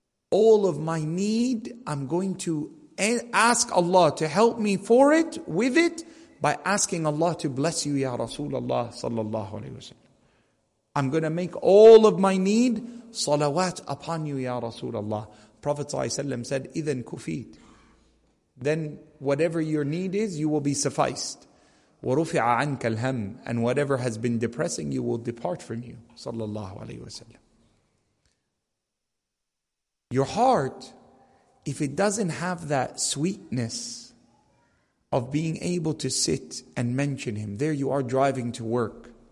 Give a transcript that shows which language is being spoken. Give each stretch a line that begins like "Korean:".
English: All of my need, I'm going to ask Allah to help me for it, with it, by asking Allah to bless you, Ya Rasulullah sallallahu alayhi wa sallam. I'm going to make all of my need salawat upon you, Ya Rasulullah. Prophet ﷺ said,
Arabic: إِذَنْ كُفِيتْ.
English: Then whatever your need is, you will be sufficed.
Arabic: وَرُفِعَ عَنْكَ الْهَمْ.
English: And whatever has been depressing, you will depart from you, sallallahu alayhi wa sallam. Your heart, if it doesn't have that sweetness of being able to sit and mention him, there you are driving to work.